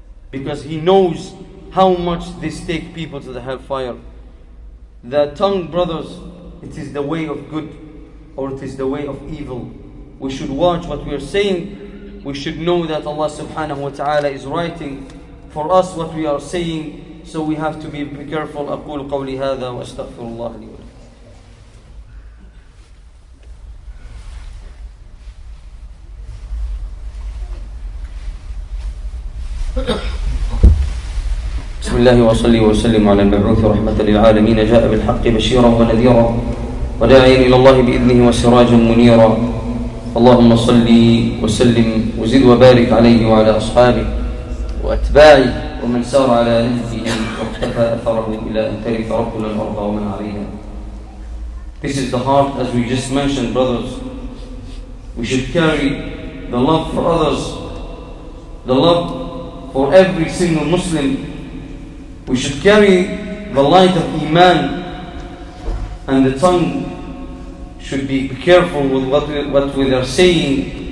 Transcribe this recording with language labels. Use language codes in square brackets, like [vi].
[en] Because he knows how much this take people to the hellfire. The tongue, brothers, it is the way of good or it is the way of evil. We should watch what we are saying. We should know that Allah subhanahu wa ta'ala is writing for us what we are saying. So we have to be careful. [ar] أقول قولي هذا وأستغفر الله لي. بسم الله وصلي وسلم على المبعوث رحمة للعالمين جاء بالحق بشيرا ونذيرا وداعيا إلى الله بإذنه وسراجا منيرا اللهم صلي وسلم وزد وبارك عليه وعلى أصحابه وأتباعه ومن سار على نهجه واقتفى أثره إلى أن ترك ربنا الأرض ومن عليها. [en] This is the heart, as we just mentioned, brothers. We should carry the love for others, the love for every single Muslim. We should carry the light of Iman, and the tongue should be careful with what we are saying.